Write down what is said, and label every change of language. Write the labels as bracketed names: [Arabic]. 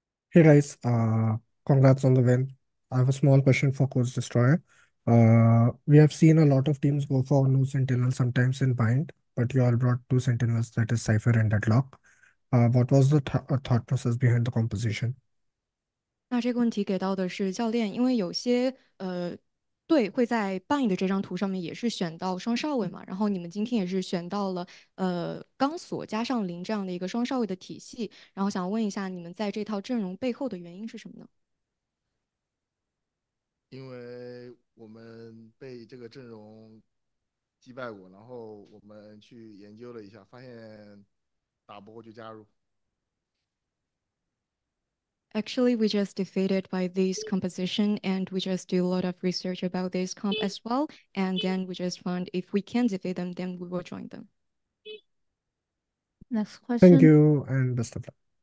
[English] Hey guys, congrats on the win. I have a small question for Coach Destroyer. We have seen a lot of teams go for no sentinel sometimes in bind, but you all brought two sentinels, that is Cypher and Deadlock. What was the thought process behind the composition? [Chinese] 那这个问题给到的是教练，因为有些队会在 bind 的这张图上面也是选到双少尉嘛，然后你们今天也是选到了钢索加上零这样的一个双少尉的体系，然后想问一下你们在这套阵容背后的原因是什么呢？因为我们被这个阵容击败过，然后我们去研究了一下，发现打不过就加入。 [English] Actually, we just defeated by this composition, and we just do a lot of research about this comp as well. And then we just found if we can defeat them, then we will join them. Next question. Thank you, and best of luck.